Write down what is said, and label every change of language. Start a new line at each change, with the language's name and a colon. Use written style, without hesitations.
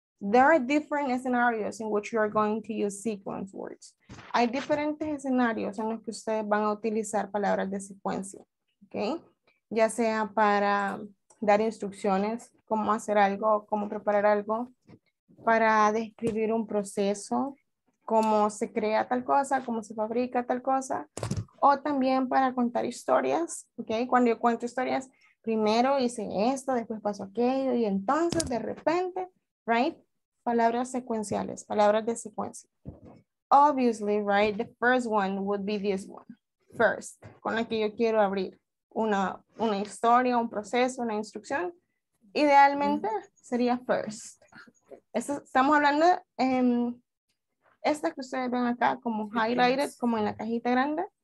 English: There are different scenarios in which you are going to use sequence words.
Spanish: Hay diferentes escenarios en los que ustedes van a utilizar palabras de secuencia, okay? Ya sea para dar instrucciones, cómo hacer algo, cómo preparar algo, para describir un proceso, cómo se crea tal cosa, cómo se fabrica tal cosa, o también para contar historias, okay? Cuando yo cuento historias, primero hice esto, después pasó aquello, y entonces de repente, right? Palabras secuenciales, palabras de secuencia.
English: Obviously, right, the first one would be this one.
Spanish: First, con la que yo quiero abrir una historia, un proceso, una instrucción. Idealmente sería first. Esto, estamos hablando en esta que ustedes ven acá como highlighted, como en la cajita grande.